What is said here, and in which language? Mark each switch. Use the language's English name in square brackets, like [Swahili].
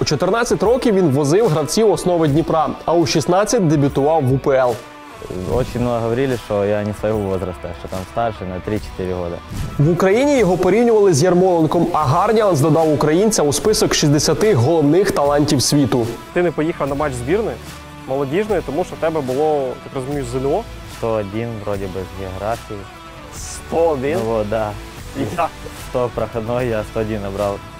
[Ukrainian] У 14 років він возив гравців основи Дніпра, а у 16 дебютував в УПЛ. [Russian] Очень много говорили, что я не своего возраста, что там старше на 3-4 года. [Ukrainian] В Украине его сравнивали с Ярмоленком, а Гардіанс додав українця у список 60 головних талантів світу. Ти не поїхав на матч збірної молодіжної, тому що в тебе було, так розумію, ЗНО. 101 [Russian] вроде бы [Ukrainian] з географії. 101? [Russian] Ну, вот, да. 100 проходной, я 101 набрав.